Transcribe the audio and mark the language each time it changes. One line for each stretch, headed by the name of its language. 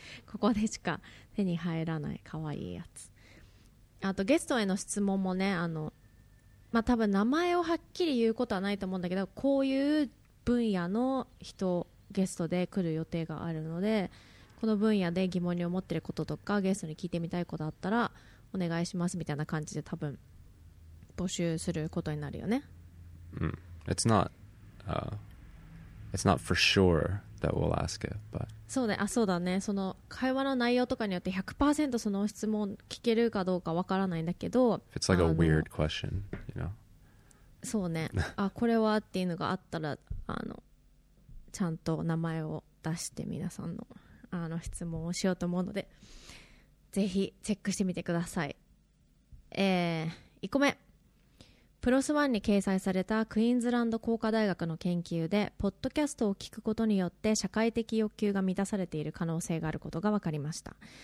Japanese: ここでしか手に入らない可愛いやつ。あとゲストへの質問もね、多分名前をはっきり言うことはないと思うんだけど、こういう分野の人ゲストで来る予定があるので、この分野で疑問に思ってることとかゲストに聞いてみたいことあったらお願いしますみたいな感じで多分募集することになるよね。
English: It's not for sureThat we'll ask it, but
Japanese: そうね、そうだね。その会話の内容とかによって 100% その質問聞けるかどうかわからないんだけど、
English: If it's like a weird question, you know?
Japanese: そうね。あ、これはっていうのがあったら、ちゃんと名前を出して皆さんの質問をしようと思うので、ぜひチェックしてみてください。 1個目、プロスワンに掲載されたクイーンズランド工科大学の研究で、ポッドキャストを聞くことによって社会的欲求が満たされている可能性があることが分かりました。